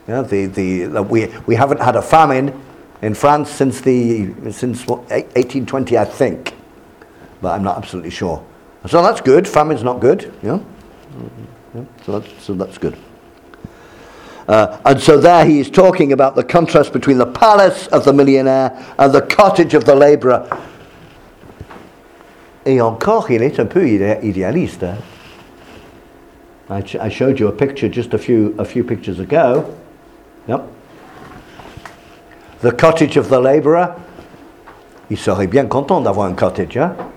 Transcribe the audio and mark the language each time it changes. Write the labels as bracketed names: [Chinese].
[English] You know, we haven't had a famine in France since 1820, I think, but I'm not absolutely sure. So that's good. Famine's not good. Yeah. So that's good. And so there he is talking about the contrast between the palace of the millionaire and the cottage of the labourer. [French] Et encore, il est un peu idéaliste. [English] I showed you a picture just a few pictures ago. Yep. The cottage of the labourer. [French] Il serait bien content d'avoir un cottage, hein?